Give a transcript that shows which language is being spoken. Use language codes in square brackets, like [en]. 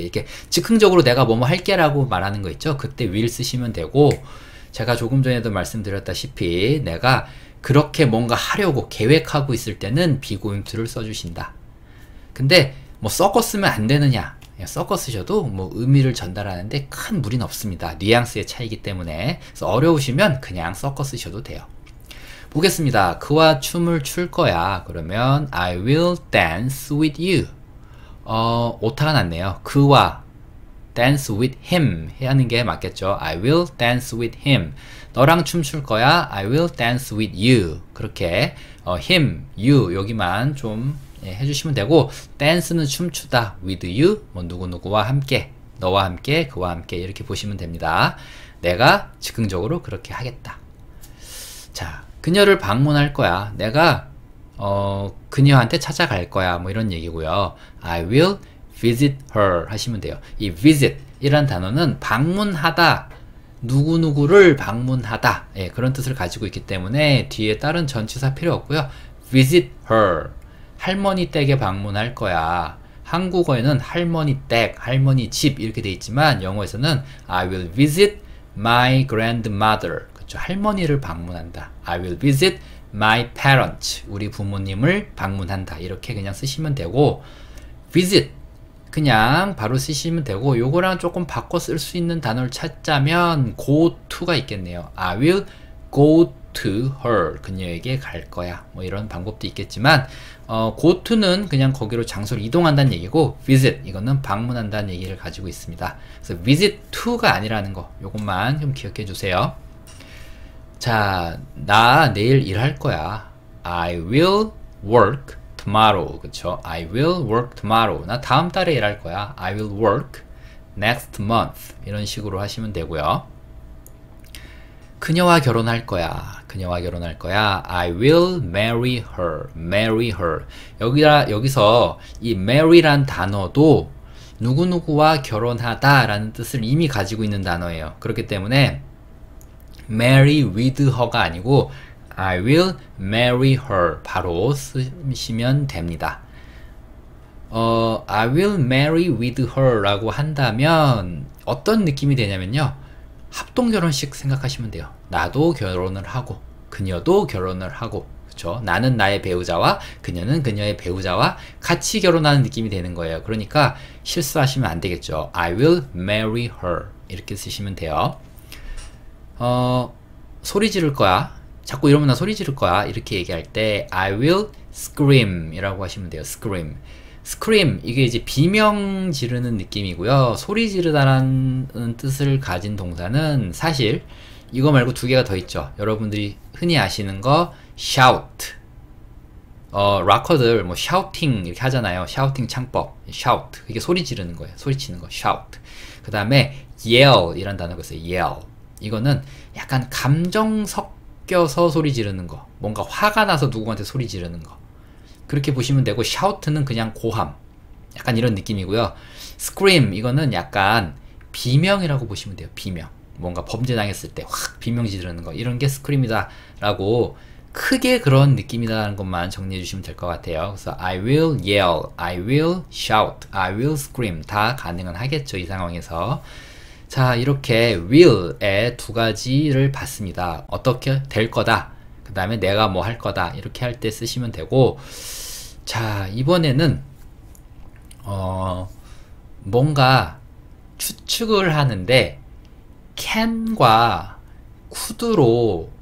[ko] 이렇게 즉흥적으로 내가 뭐뭐 할게 라고 말하는 거 있죠. 그때 will 쓰시면 되고, 제가 조금 전에도 말씀드렸다시피 내가 그렇게 뭔가 하려고 계획하고 있을 때는 be going to를 써주신다. 근데 뭐 섞어 쓰면 안 되느냐, 섞어 쓰셔도 뭐 의미를 전달하는데 큰 무리는 없습니다. 뉘앙스의 차이기 때문에. 그래서 어려우시면 그냥 섞어 쓰셔도 돼요. 보겠습니다. 그와 춤을 출 거야. [en] 그러면 I will dance with you. [ko] 오타가 났네요. 그와 [en] dance with him [ko] 해야 하는 게 맞겠죠. [en] I will dance with him. [ko] 너랑 춤출 거야. [en] I will dance with you. [ko] 그렇게 him, you 여기만 좀 해주시면 되고, dance는 춤추다, [en] with you [ko] 뭐 누구누구와 함께, 너와 함께, 그와 함께 이렇게 보시면 됩니다. 내가 즉흥적으로 그렇게 하겠다. 자, 그녀를 방문할 거야. 내가 그녀한테 찾아갈 거야 뭐 이런 얘기고요. [en] I will visit her [ko] 하시면 돼요. 이 visit 이란 단어는 방문하다, 누구누구를 방문하다, 예, 그런 뜻을 가지고 있기 때문에 뒤에 다른 전치사 필요 없고요. [en] visit her, [ko] 할머니 댁에 방문할 거야. 한국어에는 할머니 댁, 할머니 집 이렇게 돼 있지만 영어에서는 [en] I will visit my grandmother, [ko] 그렇죠? 할머니를 방문한다. [en] I will visit my parents, [ko] 우리 부모님을 방문한다. 이렇게 그냥 쓰시면 되고, visit 그냥 바로 쓰시면 되고, 요거랑 조금 바꿔 쓸 수 있는 단어를 찾자면 go to가 있겠네요. [en] I will go to her, [ko] 그녀에게 갈 거야 뭐 이런 방법도 있겠지만, go to는 그냥 거기로 장소를 이동한다는 얘기고, visit 이거는 방문한다는 얘기를 가지고 있습니다. 그래서 visit to가 아니라는 거, 요것만 좀 기억해 주세요. 자, 나 내일 일할 거야. [en] I will work tomorrow, [ko] 그쵸? [en] I will work tomorrow. [ko] 나 다음 달에 일할 거야. [en] I will work next month. [ko] 이런 식으로 하시면 되고요. 그녀와 결혼할 거야. 그녀와 결혼할 거야. [en] I will marry her. Marry her. [ko] 여기서 이 marry란 단어도 누구누구와 결혼하다 라는 뜻을 이미 가지고 있는 단어예요. 그렇기 때문에 [en] marry with her [ko] 가 아니고 [en] I will marry her [ko] 바로 쓰시면 됩니다. [en] I will marry with her [ko] 라고 한다면 어떤 느낌이 되냐면요, 합동결혼식 생각하시면 돼요. 나도 결혼을 하고 그녀도 결혼을 하고, 그쵸? 나는 나의 배우자와 그녀는 그녀의 배우자와 같이 결혼하는 느낌이 되는 거예요. 그러니까 실수하시면 안 되겠죠. [en] I will marry her [ko] 이렇게 쓰시면 돼요. 소리 지를 거야. 자꾸 이러면 나 소리 지를 거야. 이렇게 얘기할 때 [en] I will scream [ko] 이라고 하시면 돼요. [en] scream. [ko] scream 이게 이제 비명 지르는 느낌이고요. 소리 지르다라는 뜻을 가진 동사는 사실 이거 말고 두 개가 더 있죠. 여러분들이 흔히 아시는 거 shout. 락커들 뭐 shouting 이렇게 하잖아요. shouting 창법. [en] shout. [ko] 이게 소리 지르는 거예요. 소리 치는 거. shout. 그 다음에 yell 이란 단어가 있어요. [en] yell. [ko] 이거는 약간 감정 섞 껴서 소리 지르는 거, 뭔가 화가 나서 누구한테 소리 지르는 거, 그렇게 보시면 되고, shout는 그냥 고함, 약간 이런 느낌이고요. scream 이거는 약간 비명이라고 보시면 돼요. 비명, 뭔가 범죄 당했을 때 확 비명 지르는 거, 이런 게 scream이다 라고 크게 그런 느낌이다 라는 것만 정리해 주시면 될 것 같아요. [en] 그래서 I will yell, I will shout, I will scream [ko] 다 가능은 하겠죠, 이 상황에서. 자, 이렇게 will의 두 가지를 봤습니다. 어떻게 될 거다, 그 다음에 내가 뭐 할 거다, 이렇게 할 때 쓰시면 되고, 자, 이번에는 뭔가 추측을 하는데 can과 could로